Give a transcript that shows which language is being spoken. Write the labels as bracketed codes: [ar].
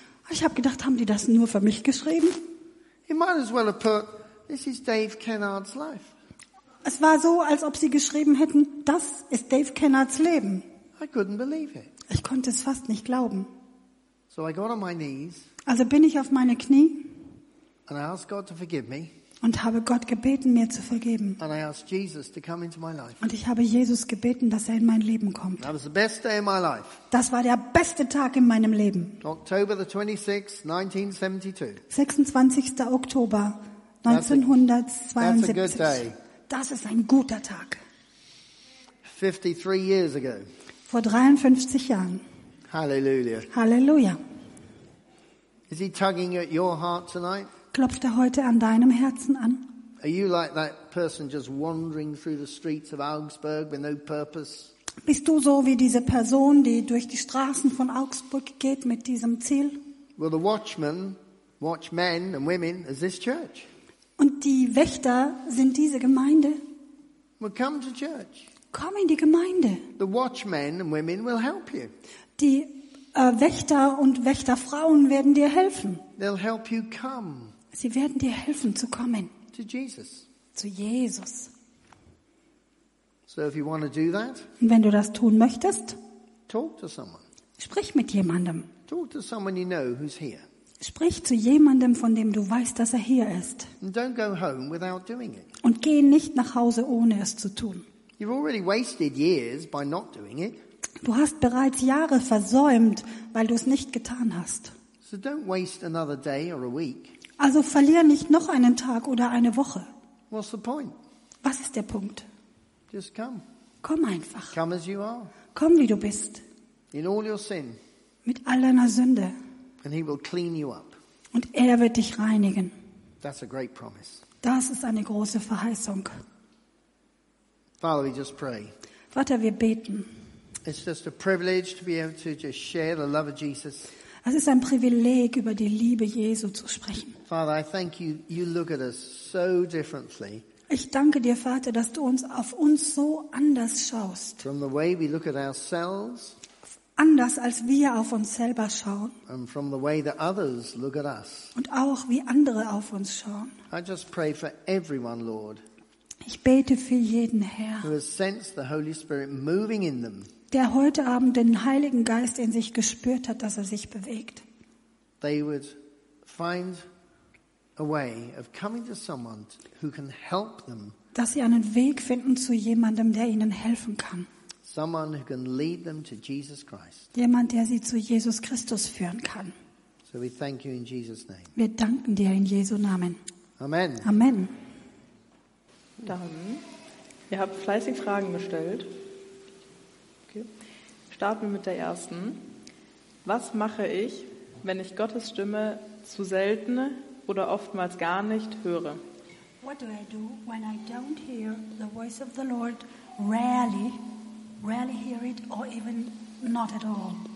[de] Ich habe gedacht, haben die das nur für mich geschrieben? [en] He might as well have put, this is Dave Kennard's life. [de] Es war so, als ob sie geschrieben hätten, das ist Dave Kennards Leben. [en] I couldn't believe it. [de] Ich konnte es fast nicht glauben. [en] So I got on my knees. [de] Also bin ich auf meine Knie [en] and I asked God to forgive me. [de] Und habe Gott gebeten, mir zu vergeben. [en] And I asked Jesus to come into my life. [de] Und ich habe Jesus gebeten, dass er in mein Leben kommt. [en] That was the best day of my life. [de] Das war der beste Tag in meinem Leben. [en] October the 26th, 1972. [de] 26. Oktober 1972. [en] That's a good day. [de] Das ist ein guter Tag. [en] 53 years ago. [de] Vor 53 Jahren. [en] Halleluja. [de] Halleluja. [en] Is he tugging at your heart tonight? [de] Klopft er heute an deinem Herzen an? [en] Are you like that person just wandering through the streets of Augsburg with no purpose? [de] Bist du so wie diese Person, die durch die Straßen von Augsburg geht mit diesem Ziel? [en] Well, the watchmen, watchmen and women, is this church? [de] Und die Wächter sind diese Gemeinde. [en] Well, come to church. [de] Komm in die Gemeinde. [en] The watchmen and women will help you. [de] Die Wächter und Wächterfrauen werden dir helfen. [en] They'll help you come. [de] Sie werden dir helfen zu kommen. [en] To Jesus. [de] Zu Jesus. [en] So if you want to do that, [de] und wenn du das tun möchtest, [en] talk to someone. [de] Sprich mit jemandem. [en] Talk to someone you know who's here. [de] Sprich zu jemandem, von dem du weißt, dass er hier ist. [en] And don't go home without doing it. [de] Und geh nicht nach Hause, ohne es zu tun. [en] You've already wasted years by not doing it. [de] Du hast bereits Jahre versäumt, weil du es nicht getan hast. [en] So don't waste another day or a week. [de] Also verlier nicht noch einen Tag oder eine Woche. [en] What's the point? [de] Was ist der Punkt? [en] Just come. [de] Komm einfach. [en] Come as you are. [de] Komm, wie du bist. [en] In all your sin. [de] Mit all deiner Sünde. [en] And he will clean you up. [de] Und er wird dich reinigen. [en] That's a great promise. [de] Das ist eine große Verheißung. [en] Father, we just pray. [de] Vater, wir beten. [en] It's just a privilege to be able to just share the love of Jesus. [de] Es ist ein Privileg, über die Liebe Jesu zu sprechen. [en] Father, I thank you. You look at us so differently. [de] Ich danke dir, Vater, dass du uns auf uns so anders schaust. [en] From the way we look at ourselves. [de] Anders als wir auf uns selber schauen. [en] And from the way that others look at us. [de] Und auch wie andere auf uns schauen. [en] I just pray for everyone, Lord. [de] Ich bete für jeden, Herr, [en] who has sensed the Holy Spirit moving in them. [de] Der heute Abend den Heiligen Geist in sich gespürt hat, dass er sich bewegt. [en] They would find a way of coming to someone who can help them. [de] Dass sie einen Weg finden zu jemandem, der ihnen helfen kann. [en] Someone who can lead them to Jesus Christ. [de] Jemand, der sie zu Jesus Christus führen kann. [en] So we thank you in Jesus' name. [de] Wir danken dir in Jesu Namen. [en] Amen. [de] Amen. Dann, ihr habt fleißig Fragen gestellt. Okay. Starten wir mit der ersten. Was mache ich, wenn ich Gottes Stimme zu selten oder oftmals gar nicht höre? [en] What do I do when I don't hear the voice of the Lord rarely, rarely hear it or even not at all?